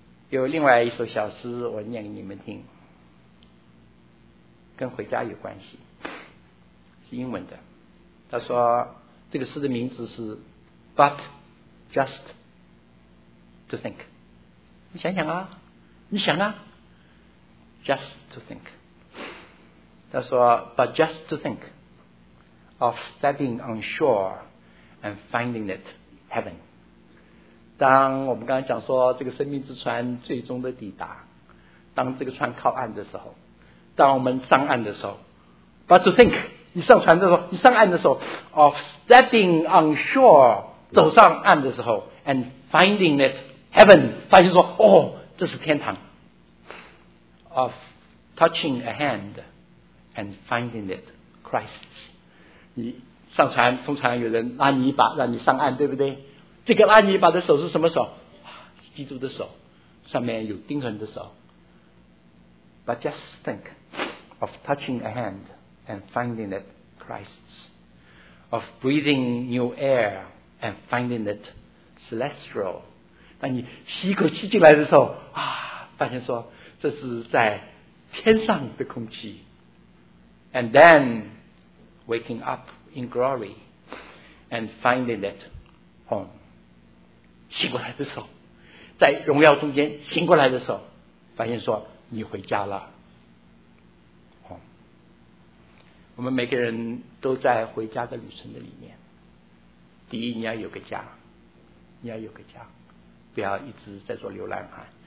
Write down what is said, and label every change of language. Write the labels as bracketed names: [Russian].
[Chinese] 有另外一首小诗，我念给你们听，跟回家有关系，是英文的。他说，这个诗的名字是 [English] "But just to think"， [Chinese] 你想想啊。你想啊 ， [English] just to think。 [Chinese] 他说 [English] ，but just to think of stepping on shore and finding it heaven。 [Chinese] 当我们刚刚讲说这个生命之船最终的抵达，当这个船靠岸的时候，当我们上岸的时候 ， [English] but to think， [Chinese] 你上船的时候，你上岸的时候 ， [English] of stepping on shore， [Chinese] 走上岸的时候 ， [English] and finding it heaven， [Chinese] 发现说，哦，这是天堂。 [English] Of touching a hand and finding it Christ's， [Chinese] 你上船，通常有人拉你一把，让你上岸，对不对？这个拉你一把的手是什么手？基督的手，上面有钉痕的手。 [English] But just think of touching a hand and finding it Christ's， of breathing new air and finding it celestial. [Chinese] 当你吸一口气进来的时候，啊，发现说这是在天上的空气。 [English] And then waking up in glory and finding it home. [Chinese] 醒过来的时候，在荣耀中间醒过来的时候，发现说你回家了。我们每个人都在回家的旅程的里面。第一，你要有个家，你要有个家，不要一直在做流浪汉。